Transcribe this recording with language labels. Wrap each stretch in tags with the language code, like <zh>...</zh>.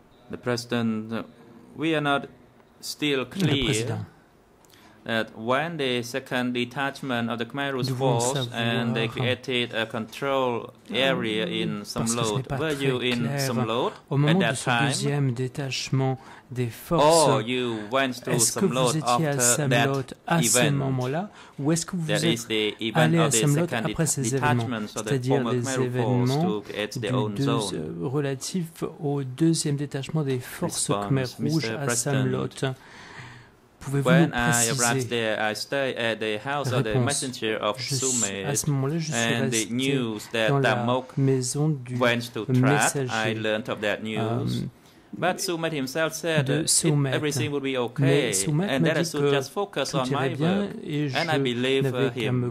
<en>The President, we are not still clear that when the second detachment of the Khmer Rouge force and they created a control area in Somlot, were you in Somlot at that time?</en> <fr>Détachement des forces.</fr> <en>Oh, you went to Somlot after that event. That is the event of the second detachment of the former Khmer force to create their own zone.</en> <fr>Relatif au deuxième détachement des forces Khmer Rouge à Somlot.</fr> <en>When I arrived there, I stayed at the house of the messenger of Sumit, and the news that Damok went to trap, I learned of that news. But Sumit himself said everything would be okay, and that I should just focus on my work, and I believe him.</en>